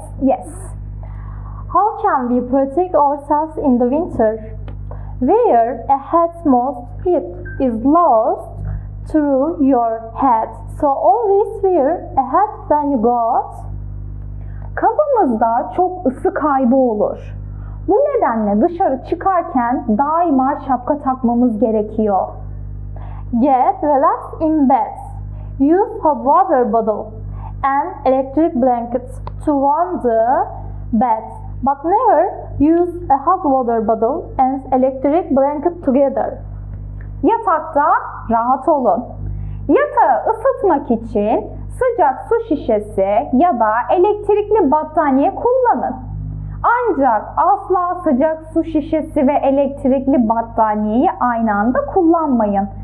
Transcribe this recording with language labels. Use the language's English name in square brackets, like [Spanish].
[English] How can we protect ourselves in the winter? Wear a hat most heat is lost through your head. So always wear a hat when you go out. [Turkish] Kafamızda çok ısı kaybı olur. Bu nedenle dışarı çıkarken daima şapka takmamız gerekiyor. [English] Get relaxed in bed. Use a water bottle and electric blanket to warm the bed. But never use a hot water bottle and electric blanket together. [Turkish] Yatakta rahat olun. Yatağı ısıtmak için sıcak su şişesi ya da elektrikli battaniye kullanın. Ancak asla sıcak su şişesi ve elektrikli battaniyeyi aynı anda kullanmayın.